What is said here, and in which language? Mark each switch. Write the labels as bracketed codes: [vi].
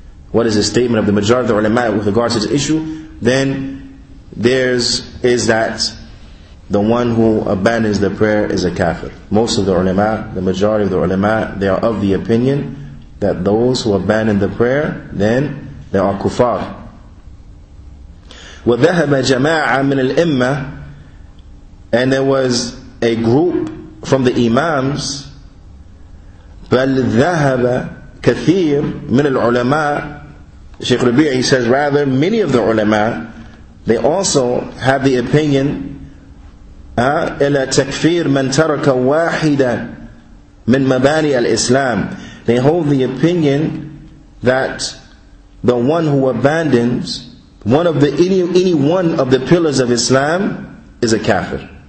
[en] What is the statement of the majority of the ulama with regards to the issue? Then theirs is that the one who abandons the prayer is a kafir. Most of the ulama, the majority of the ulama, they are of the opinion that those who abandon the prayer, then they are kufar. [ar] وذهب جماعة من الإمة, [en] and there was a group from the imams, [ar] بل ذهب كثير من العلماء. [en] Sheikh Rabi'i says, rather, many of the ulama, they also have the opinion, [ar] إلى تكفير من ترك واحدا من مباني الإسلام. [en] They hold the opinion that the one who abandons any one of the pillars of Islam is a kafir.